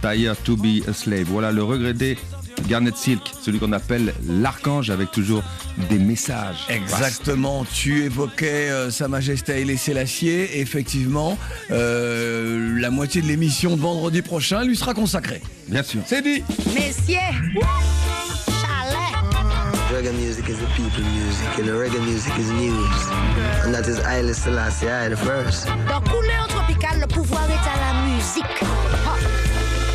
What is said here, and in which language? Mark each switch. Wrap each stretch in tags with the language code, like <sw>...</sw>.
<en>Tired to be a slave.</en> <fr>Voilà le regretté Garnet Silk, celui qu'on appelle l'archange, avec toujours des messages. Exactement, tu évoquais Sa Majesté Haïlé Sélassié. Effectivement, la moitié de l'émission de vendredi prochain lui sera consacrée. Bien sûr. C'est dit. Messieurs, chalet.</fr> <en>Reggae music is the people music, and the reggae music is news. And that is Haïlé Sélassié, I the first.</en> <fr>Dans Couleur Tropicale, le pouvoir est à la musique.</fr>